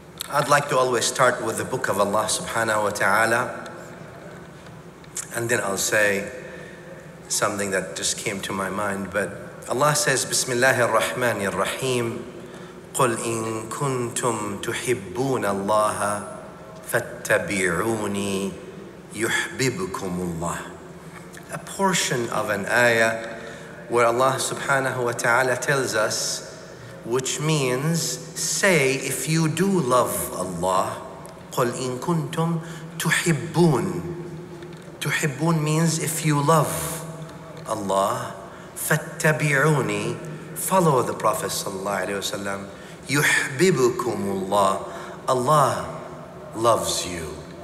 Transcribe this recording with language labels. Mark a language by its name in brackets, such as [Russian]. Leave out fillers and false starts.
[English] I'd like to always start with the book of Allah subhanahu wa ta'ala, and then I'll say something that just came to my mind. But Allah says, [Arabic] Bismillah ar-Rahman ar-Rahim, قُلْ إِن كُنْتُمْ تُحِبُّونَ اللَّهَ فَاتَّبِعُونِي يُحْبِبُكُمُ اللَّهِ. [English] A portion of an ayah where Allah subhanahu wa ta'ala tells us, which means, say, if you do love Allah, [Arabic] قُلْ إِن كُنْتُمْ تُحِبُّونَ. تُحِبُّونَ [English] means if you love Allah, [Arabic] فَاتَّبِعُونِي, [English] follow the Prophet sallallahu alayhi wa sallam, [Arabic] يُحْبِبُكُمُ اللَّهِ, [English] Allah loves you.